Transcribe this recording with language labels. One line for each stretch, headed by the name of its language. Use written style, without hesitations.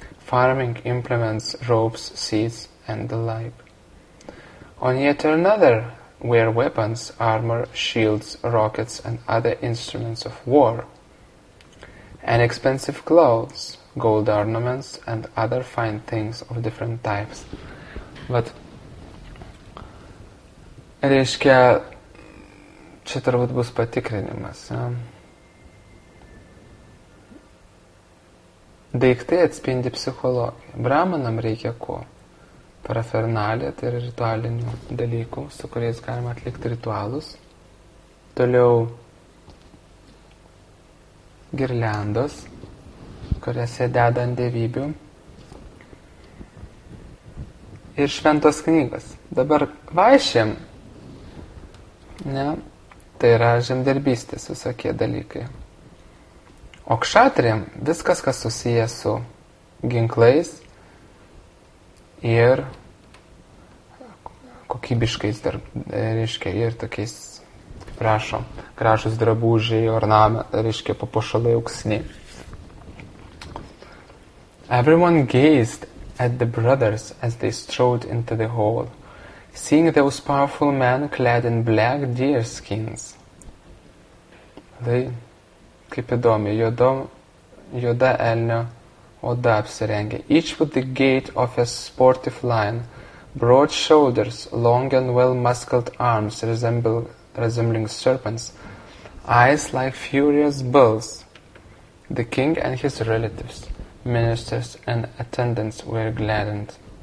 English: farming implements, ropes, seeds, and the like. On yet another, where weapons, armor, shields, rockets, and other instruments of war, and expensive clothes, gold ornaments, and other fine things of different types.
Lithuanian: Bet, reiškia, čia turbūt bus patikrinimas. Ja? Daiktai atspindi psichologiją. Brahmanam reikia ko? Parafernalija, tai yra ritualinių dalykų, su kuriais galima atlikti ritualus. Toliau girliandos, kurias jie deda ant dievybių. Ir šventos knygos. Dabar vaišėm, ne, tai yra žemdirbystės visokie dalykai. O kšatrijam viskas, kas susiję su ginklais ir kokybiškais, dar, reiškia, ir tokiais, prašo, gražus drabužiai, orname, reiškia, papušalai auksiniai.
English: Everyone gazed at the brothers as they strode into the hall, seeing those powerful men clad in black deer skins.
Lithuanian: Tai, kaip įdomi, juoda elnio oda apsirengė.
English: Each with the gait of a sportive lion, broad shoulders, long and well-muscled arms resembling serpents, eyes like furious bulls. The king and his relatives, ministers and attendants were gladdened.